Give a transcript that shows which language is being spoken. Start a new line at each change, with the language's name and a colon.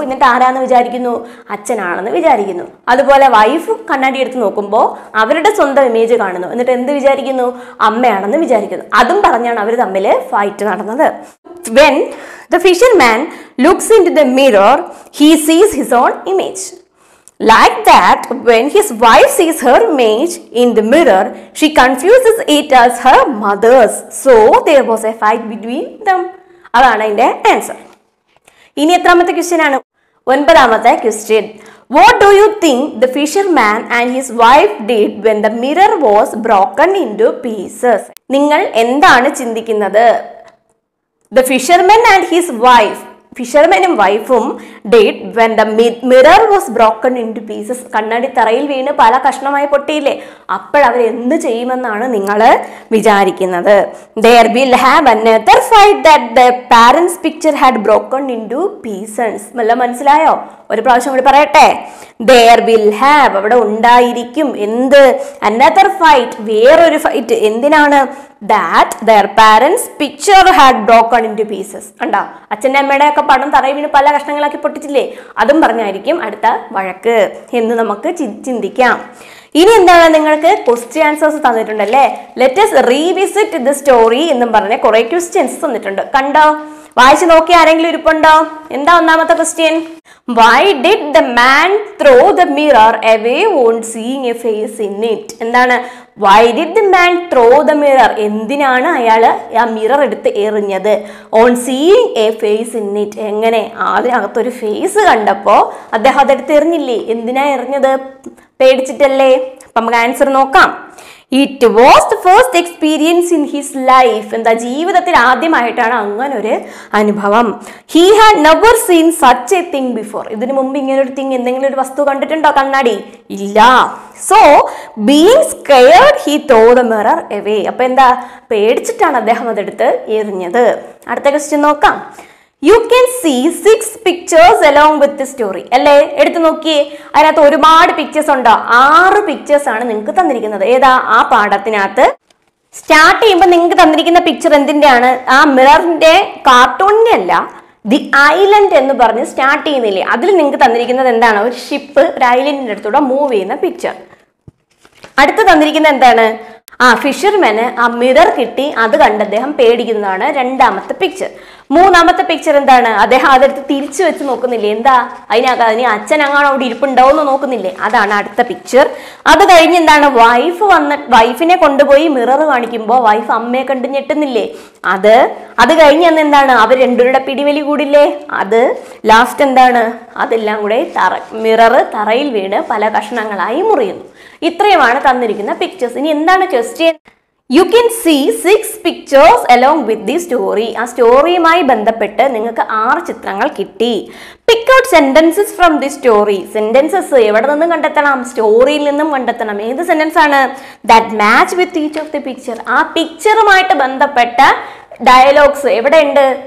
Malayalam: എന്നിട്ട് ആരാന്ന് വിചാരിക്കുന്നു? അച്ഛനാണെന്ന് വിചാരിക്കുന്നു. അതുപോലെ വൈഫ് കണ്ണാടി എടുത്ത് നോക്കുമ്പോൾ അവരുടെ സ്വന്തം ഇമേജ് കാണുന്നു. എന്നിട്ട് എന്ത് വിചാരിക്കുന്നു? അമ്മയാണെന്ന് വിചാരിക്കുന്നു. അതും പറഞ്ഞാണ് അവർ തമ്മിൽ ഫൈറ്റ് നടന്നത്.
English: When the fisherman looks into the mirror he sees his own image. Like that, when his wife sees her image in the mirror, she confuses it as her mother's. So, there was a fight between them. That's the answer.
Malayalam: Ini ethramathe question aanu? Onbathamathe question.
English: What do you think the fisherman and his wife did when the mirror was broken into pieces?
Malayalam: Ningal endaanu chindikkunnathu?
English: The fisherman and his wife. ഫിഷർമാനും വൈഫും date when the mirror was broken into pieces.
Malayalam: കണ്ണാടി തറയിൽ വീണ് പല കഷ്ണമായി പൊട്ടിയില്ലേ, അപ്പോഴവരെന്ത് ചെയ്യുമെന്നാണ് നിങ്ങൾ വിചാരിക്കുന്നത്?
English: There will have another fight that the parents picture had broken into pieces.
Malayalam: നല്ല മനസ്സിലായോ? ഒരു പ്രാവശ്യം കൂടി പറയട്ടെ.
English: there will have,
Malayalam: അവിടെ ഉണ്ടായിരിക്കും എന്ത്?
English: another fight,
Malayalam: വേറൊരു ഫൈറ്റ്. എന്തിനാണ്?
English: That their parents' picture had broken into pieces.
Malayalam: കണ്ടോ, അച്ഛൻ്റെ അമ്മയുടെ ഒക്കെ പടം തറയിൽ വീണ് പല കഷ്ണങ്ങളാക്കി പൊട്ടിച്ചില്ലേ, അതും പറഞ്ഞായിരിക്കും അടുത്ത വഴക്ക് എന്ന് നമുക്ക് ചിന്തിക്കാം. ഇനി എന്താണ് നിങ്ങൾക്ക് question answers തന്നിട്ടുണ്ടല്ലേ.
English: let us revisit the story
Malayalam: എന്നും പറഞ്ഞ് കുറെ ക്വസ്റ്റ്യൻസ് തന്നിട്ടുണ്ട്. കണ്ടോ, വായിച്ചു നോക്കി ആരെങ്കിലും ഇരിപ്പുണ്ടോ? എന്താ ഒന്നാമത്തെ question?
English: Why did the man throw the mirror away on seeing a face in it? എന്താണ്? Why did the man throw the mirror,
Malayalam: എന്തിനാണ് അയാൾ ആ മിറർ എടുത്ത് എറിഞ്ഞത്?
English: on seeing a face in it,
Malayalam: എങ്ങനെ? അതിനകത്തൊരു ഫേസ് കണ്ടപ്പോൾ അദ്ദേഹം അതെടുത്ത് എറിഞ്ഞില്ലേ? എന്തിനാ എറിഞ്ഞത്? പേടിച്ചിട്ടല്ലേ? അപ്പം നമുക്ക് ആൻസർ നോക്കാം.
English: It was the first experience in his life.
Malayalam: എന്താ ജീവിതത്തിൽ ആദ്യമായിട്ടാണ് അങ്ങനെ ഒരു അനുഭവം.
English: He had never seen such a thing before.
Malayalam: ഇതിനു മുമ്പ് ഇങ്ങനെ ഒരു തിങ് എന്തെങ്കിലും ഒരു വസ്തു കണ്ടിട്ടുണ്ടോ കണ്ണാടി? ഇല്ല.
English: So being scared he throw the mirror away.
Malayalam: അപ്പൊ എന്താ പേടിച്ചിട്ടാണ് അദ്ദേഹം അതെടുത്ത് എറിഞ്ഞത്. അടുത്ത ക്വസ്റ്റ്യൻ നോക്കാം.
English: You can see six pictures along with the story.
Malayalam: അല്ലെ, എടുത്തു നോക്കിയേ, അതിനകത്ത് ഒരുപാട് പിക്ചേഴ്സ് ഉണ്ടോ? ആറ് പിക്ചേഴ്സ് ആണ് നിങ്ങൾക്ക് തന്നിരിക്കുന്നത്. ഏതാ ആ പാഠത്തിനകത്ത് സ്റ്റാർട്ട് ചെയ്യുമ്പോൾ നിങ്ങൾക്ക് തന്നിരിക്കുന്ന പിക്ചർ എന്തിൻ്റെയാണ്? ആ മിററിൻ്റെ കാർട്ടൂണിൻ്റെ അല്ല, ദി ഐലൻഡ് എന്ന് പറഞ്ഞ് സ്റ്റാർട്ട് ചെയ്യുന്നില്ലേ, അതിൽ നിങ്ങൾക്ക് തന്നിരിക്കുന്നത് എന്താണ്? ഒരു ഷിപ്പ് ഒരു ഐലൻഡിൻ്റെ അടുത്തൂടെ മൂവ് ചെയ്യുന്ന പിക്ചർ. അടുത്ത് തന്നിരിക്കുന്നത് എന്താണ്? ആ ഫിഷർമാന് ആ മിറർ കിട്ടി, അത് കണ്ട് അദ്ദേഹം പേടിക്കുന്നതാണ് രണ്ടാമത്തെ പിക്ചർ. മൂന്നാമത്തെ പിക്ചർ എന്താണ്? അദ്ദേഹം അതെടുത്ത് തിരിച്ചു വെച്ച് നോക്കുന്നില്ലേ, എന്താ അതിനകത്ത്, അതിന് അച്ഛൻ അങ്ങാണോ അവിടെ ഇരിപ്പുണ്ടാവുമെന്ന് നോക്കുന്നില്ലേ, അതാണ് അടുത്ത പിക്ചർ. അത് കഴിഞ്ഞ് എന്താണ്, വൈഫ് വന്ന് വൈഫിനെ കൊണ്ടുപോയി മിറർ കാണിക്കുമ്പോൾ വൈഫ് അമ്മയെ കണ്ട് ഞെട്ടുന്നില്ലേ, അത്. അത് കഴിഞ്ഞ് അന്ന് എന്താണ്, അവർ രണ്ടുപേരുടെ പിടിവലി കൂടില്ലേ, അത്. ലാസ്റ്റ് എന്താണ്, അതെല്ലാം കൂടെ മിറർ തറയിൽ വീണ് പല കഷ്ണങ്ങളായി മുറിയുന്നു. ഇത്രയുമാണ് തന്നിരിക്കുന്ന പിക്ചേഴ്സ്. ഇനി എന്താണ് question?
English: You can see six pictures along with the story.
Malayalam: ആ സ്റ്റോറിയുമായി ബന്ധപ്പെട്ട് നിങ്ങൾക്ക് ആറ് ചിത്രങ്ങൾ കിട്ടി.
English: Pick out sentences from the story. Sentences
Malayalam: എവിടെ നിന്നും കണ്ടെത്തണം? സ്റ്റോറിയിൽ നിന്നും കണ്ടെത്തണം. ഏത് സെന്റൻസ് ആണ്?
English: That match with each of the picture.
Malayalam: ആ പിക്ചറുമായിട്ട് ബന്ധപ്പെട്ട ഡയലോഗ്സ് എവിടെയുണ്ട്?